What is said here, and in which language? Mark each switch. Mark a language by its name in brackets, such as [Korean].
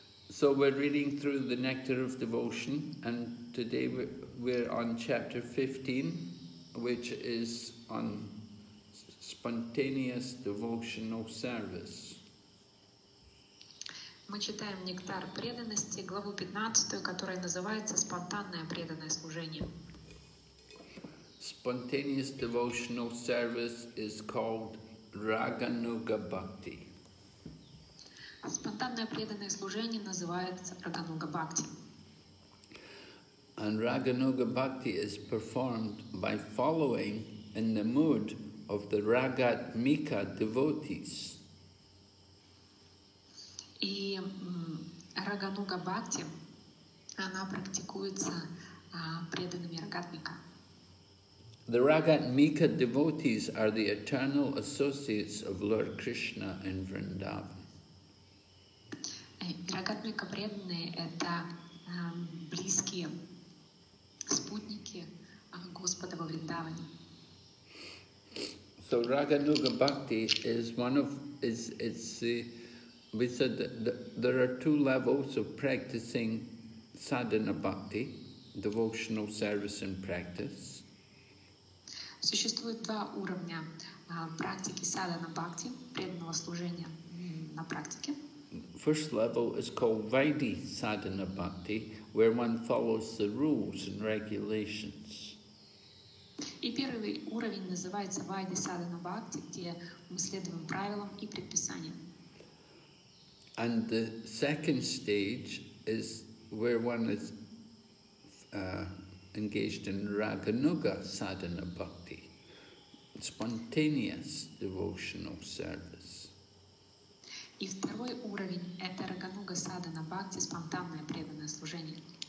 [English] So we're reading through the Nectar of Devotion, and today we're on chapter 15, which is on spontaneous devotional service. [Russian] Мы читаем Нектар преданности, главу 15, которая называется Спонтанное преданное служение. [English] Spontaneous devotional service is called Raganuga Bhakti. [Russian] Спонтанное преданное служение называется Рагануга Бхакти. [English] And Raganuga Bhakti is performed by following in the mood of the Ragatmika devotees. [Russian] И Рагануга Бхакти, она практикуется преданными Рагатмика. [English] The Ragatmika devotees are the eternal associates of Lord Krishna in Vrindavan. [Russian] Рагатмика преданные – это близкие спутники Господа во Вриндаване. [English] So Raganuga Bhakti is one of, it's the, we said that there are two levels of practicing sadhana bhakti, devotional service and practice. [Russian] Существует два уровня практики sadhana bhakti, преданного служения на практике. [English] First level is called Vaidhi Sadhana Bhakti, where one follows the rules and regulations. [Russian] И первый уровень называется Vaidhi Sadhana Bhakti, где мы следуем правилам и предписаниям. [English] And the second stage is where one is engaged in Raganuga Sadhana Bhakti, spontaneous devotional service. [Russian] И второй уровень – это Рагануга Садхана Бхакти, спонтанное преданное служение.